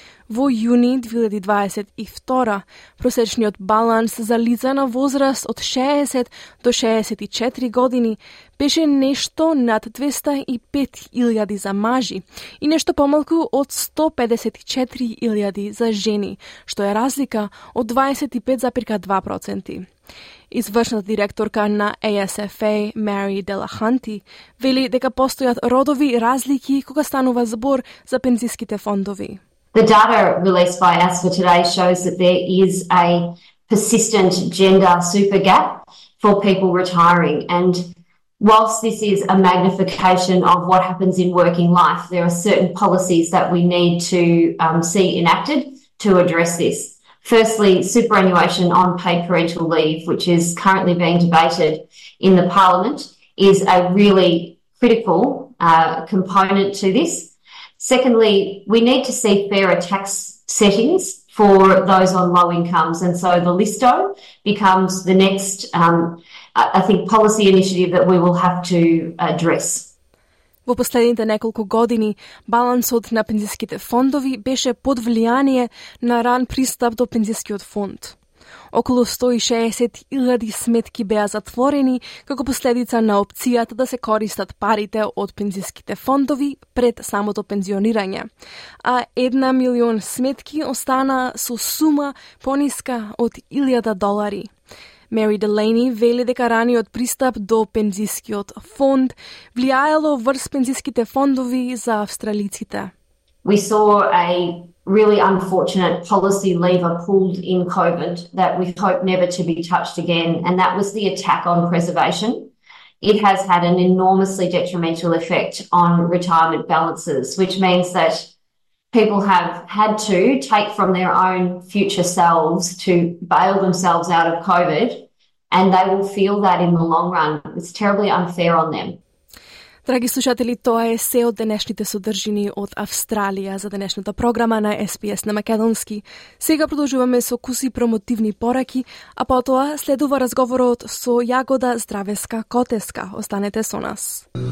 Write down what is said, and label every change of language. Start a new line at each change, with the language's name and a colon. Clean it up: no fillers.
Macedonian: Во јуни 2022, просечниот баланс за лица на возраст од 60 до 64 години беше нешто над 205 илјади за мажи и нешто помалку од 154 илјади за жени, што е разлика од 25,2%. Извршната директорка на ASFA, Мери Делаханти, вели дека постојат родови разлики кога станува збор за пензиските фондови.
English: The data released by ASFA today shows that there is a persistent gender super gap for people retiring. And whilst this is a magnification of what happens in working life, there are certain policies that we need to see enacted to address this. Firstly, superannuation on paid parental leave, which is currently being debated in the Parliament, is a really critical component to this. Secondly, we need to see fairer tax settings for those on low incomes. And so the LISTO becomes the next, I think, policy initiative that we will have to address.
Macedonian: Во последните неколку години, балансот на пензиските фондови беше под влијание на ран пристап до пензискиот фонд. Около 160 000 сметки беа затворени како последица на опцијата да се користат парите од пензиските фондови пред самото пензионирање. А 1 милион сметки остана со сума пониска од 1000 долари. Мери Делейни вели дека раниот пристап до пензискиот фонд влијаело врз пензиските фондови за австралиците.
English: We saw a really unfortunate policy lever pulled in COVID that we hope never to be touched again, and that was the attack on preservation. It has had an enormously detrimental effect on retirement balances, which means that people have had to take from their own future selves to bail themselves out of COVID, and they will feel that in the long run. It's terribly unfair on them.
Macedonian: Драги слушатели, тоа е се од денешните содржини од Австралија за денешната програма на SBS на Македонски. Сега продолжуваме со куси промотивни пораки, а потоа следува разговорот со Јагода Здравеска-Котеска. Останете со нас.